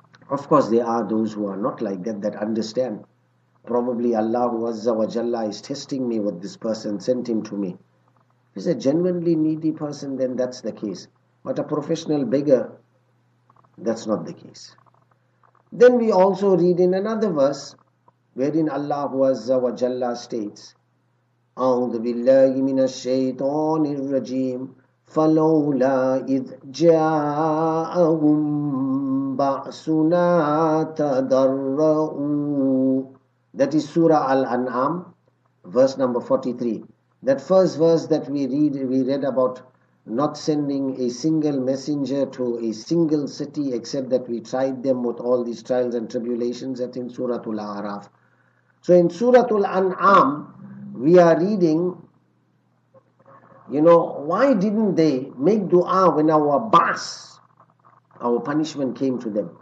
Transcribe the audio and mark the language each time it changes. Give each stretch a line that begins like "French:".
English: Of course, there are those who are not like that, that understand. Probably Allah Azza wa Jalla is testing me with this person, sent him to me. If he's a genuinely needy person, then that's the case. But a professional beggar, that's not the case. Then we also read in another verse, wherein Allah Azza wa Jalla states,
Arabic: أعوذ بالله من الشيطان الرجيم فلولا إذ جاءهم بأسنا تضرعوا.
English: That is Surah Al-An'am, verse number 43. That first verse that we read about not sending a single messenger to a single city except that we tried them with all these trials and tribulations, that in Suratul A'raf. So in Suratul An'am, we are reading, you know, why didn't they make dua when our punishment came to them?